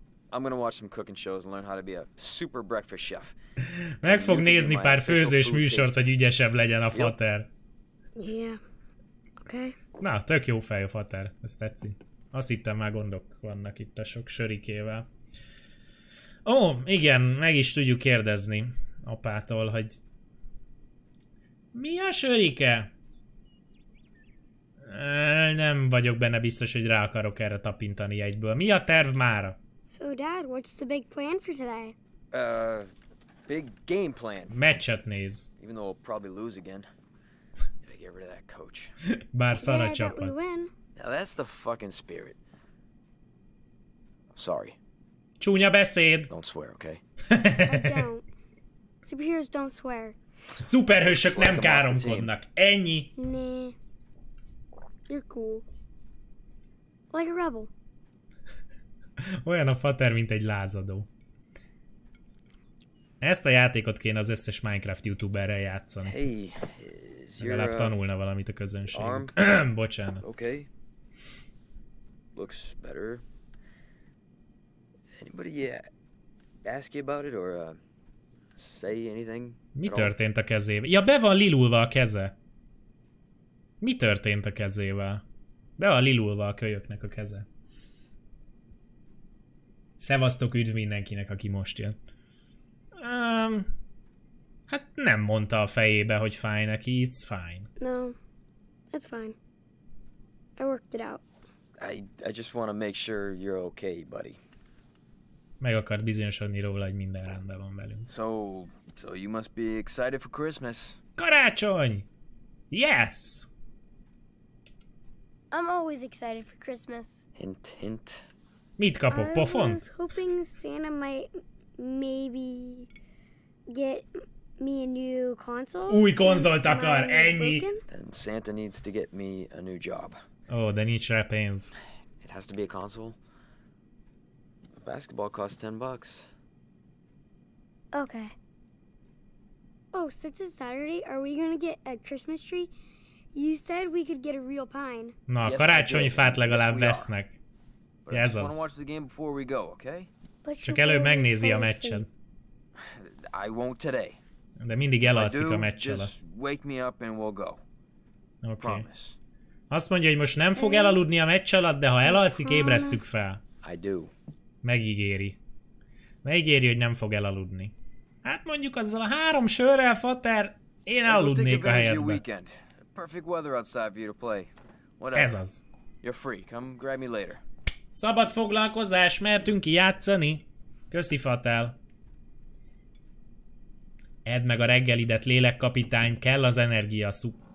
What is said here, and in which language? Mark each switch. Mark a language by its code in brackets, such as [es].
[en] I'm gonna watch some cooking shows and learn how to be a super breakfast chef. [hu] Meg fog nézni pár főzős műsort, hogy ügyesebb legyen a fater. Yeah. Okay. Na, tök jó fej a fater. Ezt tetszik. Azt hittem, már gondok vannak itt a sok sörikével. Ó, igen, meg is tudjuk kérdezni apától, hogy mi a sörike? Nem vagyok benne biztos, hogy rá akarok erre tapintani egyből. Mi a terv mára? [en] So, Dad, what's the big plan for today? Big game plan. [hu] Meccset néz. [en] Even though we'll probably lose again. Gotta get rid of that coach. [hu] Bár szar a csapat. [en] Now that's the fucking spirit. Sorry. [hu] Csúnya beszéd. [en] Don't swear, okay? I don't. Superheroes don't swear. [hu] Szuperhősök nem káromkodnak. Ennyi. [en] Nah. You're cool. Like a rebel. [hu] Olyan a fater, mint egy lázadó. Ezt a játékot kéne az összes Minecraft youtuberrel játszani. [en] Hey, [hu] legalább tanulna valamit a közönségünk. Bocsánat. [en] Okay. Looks better. Anybody ask you about it or say anything? [hu] Mi történt a kezével? Ja, be van lilulva a keze. Mi történt a kezével? Be van lilulva a kölyöknek a keze. Szevasztok, üdv mindenkinek, aki most jön. Hát nem mondta a fejébe, hogy fáj neki. [en] It's fine. No, it's fine. I worked it out. I just want to make sure you're okay, buddy. [hu] Meg akart bizonyosodni róla, hogy minden rendben van velünk. [en] So you must be excited for Christmas. [hu] Karácsony! Yes! [en] I'm always excited for Christmas. Hint, hint. [hu] Mit kapok, pofont? [en] I was hoping Santa might maybe get me a new console. [hu] Új konzolt akar, ennyi! [en] Then Santa needs to get me a new job. [hu] Oh, de nincs rá pénz. [en] It has to be a console. Basketball costs 10 bucks. Okay. Oh, since it's Saturday, are we gonna get a Christmas tree? You said we could get a real pine. [hu] Na, yes, karácsonyi fát legalább vesznek. Ja, ez az. [en] Watch the game before we go, okay? [hu] Csak előbb megnézi a meccset. [en] I won't today. [hu] De mindig elalszik a meccsel. [en] Just wake me up and we'll go. Okay. Promise. [hu] Azt mondja, hogy most nem fog elaludni a meccsel, de ha elalszik, ébresszük fel. [en] I do. [hu] Megígéri. Megígéri, hogy nem fog elaludni. Hát mondjuk azzal a három sörrel, fater, én aludnék a helyedbe. [en] Perfect weather outside for you to play. [hu] Whatever. Ez az. [en] You're free. Come grab me later. [hu] Szabad foglalkozás, mertünk ki játszani. Köszi, Fatal. Edd meg a reggelidet, lélekkapitány, kell az energia, szup.